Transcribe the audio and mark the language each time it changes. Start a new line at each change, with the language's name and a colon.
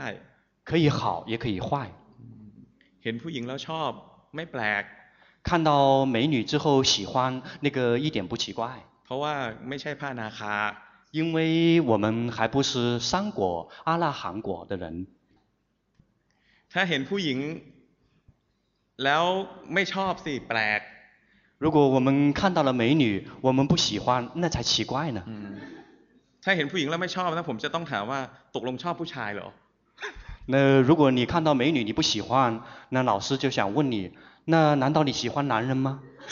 Chinese: 可以好也可以坏
Thai: เห็นผู้หญิงแล้วชอบไม่แปลก
Chinese: 看到美女之后喜欢那个一点不奇怪
Thai: เพราะว่าไม่ใช่พระอนาคา
Chinese: 因为我们还不是三果阿拉含果的人
Thai: ถ้าเห็นผู้หญิงแล้วไม่ชอบสิแปลก
Chinese: 如果我们看到了美女我们不喜欢那才奇怪呢
Thai: ถ้าเห็นผู้หญิงแล้วไม่ชอบนะผมจะต้องถามว่าตกลงชอบผู้ชายเหรอ
Chinese: 那如果你看到美女你不喜欢那老师就想问你那难道你喜欢男人吗